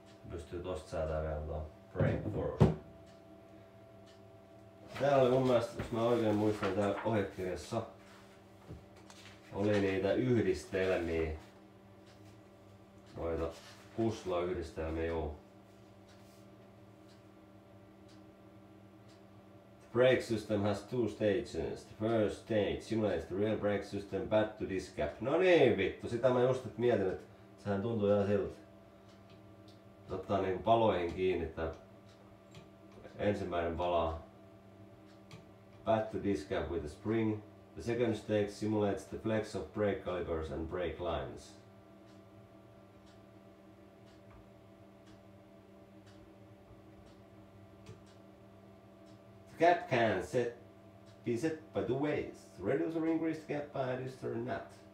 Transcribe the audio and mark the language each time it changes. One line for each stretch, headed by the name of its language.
Finnish: pystyy tosta säätää vielä tuo Frame for. Täällä oli mun mielestä, jos mä oikein muistan, täällä ohjekirjassa oli niitä yhdistelmiä. Noita kuslayhdistelmiä, juu.
English: The brake system has two stages. The first stage simulates the real brake system, back to this gap.
Finnish: No niin vittu, sitä mä just et mietin, että sehän tuntuu ihan siltä. Ottaa niinku paloihin kiinni, että ensimmäinen palaa.
English: Back to this gap with a spring. The second stage simulates the flex of brake calipers and brake lines. The gap can set be set by two ways. Reduce or increase the gap by adjuster or nut.